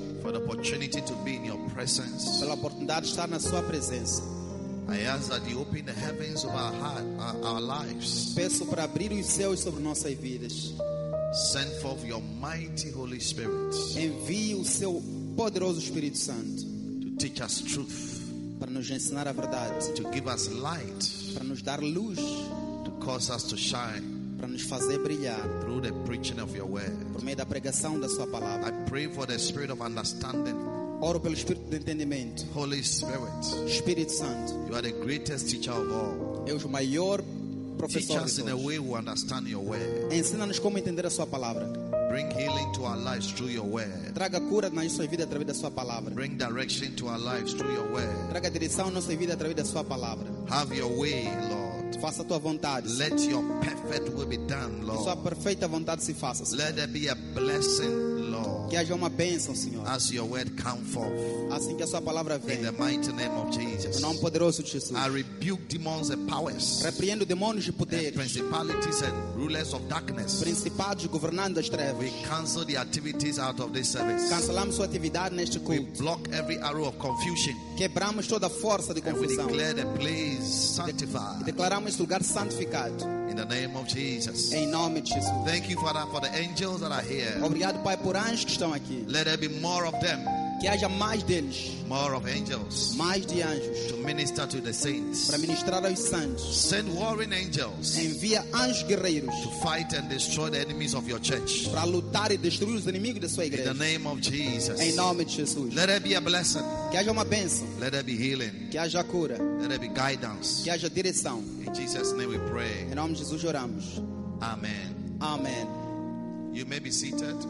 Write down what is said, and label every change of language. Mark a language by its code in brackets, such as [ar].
[en] For the opportunity to be in your presence. [pt] Pela oportunidade de estar na sua presença. [en] I ask that you open the heavens of our heart, our lives. [pt] Peço para abrir os céus sobre nossas vidas. [en] Send forth your mighty Holy Spirit. [pt] Envie o seu poderoso Espírito Santo. [en] To teach us truth. [pt] Para nos ensinar a verdade. [en] To give us light. [pt] Para nos dar luz. [en] To cause us to shine. [pt] Para nos fazer brilhar. [en] Through the preaching of your word. [pt] Por meio da pregação da sua palavra. [en] I pray for the spirit of understanding. [pt] Oro pelo Espírito de entendimento. [en] Holy Spirit. [pt] Espírito Santo. [en] You are the greatest teacher of all. [pt] És o maior professor. [en] Teach us in a way we understand your word. [pt] Ensina-nos como entender a sua palavra. [en] Bring healing to our lives through your word. [pt] Traga cura na nossa vida através da sua palavra. [en] Bring direction to our lives through your word. [pt] Traga direção na nossa vida através da sua palavra. [en] Have your way, Lord. [pt] Faça a tua vontade. [en] Let your perfect will be done, Lord. [pt] Que sua perfeita vontade se faça, Senhor. [en] Let there be a blessing, Lord. [pt] Que haja uma bênção, Senhor. [en] As your word come forth. [pt] Assim que a sua palavra vem. [en] In the mighty name of Jesus. [pt] No nome poderoso de Jesus. [en] I rebuke demons and powers. [pt] Repreendo demônios e poderes. [en] And principalities and rulers of darkness. [pt] Principados governando as trevas. [en] We cancel the activities out of this service. [pt] Cancelamos sua atividade neste culto. [en] We block every arrow of confusion. [pt] Quebramos toda a força de confusão. [en] And we declare the place sanctified. [pt] E declaramos este lugar santificado. [en] In the name of Jesus. [pt] Em nome de Jesus. [en] Thank you, Father, for the angels that are here. [pt] Obrigado, Pai, por anjos que estão aqui. [en] Let there be more of them. [pt] Que haja mais deles. [en] More of angels. [pt] Mais de anjos. [en] To minister to the saints. [pt] Para ministrar aos santos. [en] Send warring angels. [pt] Envia anjos guerreiros. [en] To fight and destroy the enemies of your church. [pt] Para lutar e destruir os inimigos da sua igreja. [en] In the name of Jesus. [pt] Em nome de Jesus. [en] Let there be a blessing. [pt] Que haja uma bênção. [en] Let there be healing. [pt] Que haja cura. [en] Let there be guidance. [pt] Que haja direção. [en] In Jesus' name we pray. [pt] Em nome de Jesus oramos. Amen. Amen. [en] You may be seated.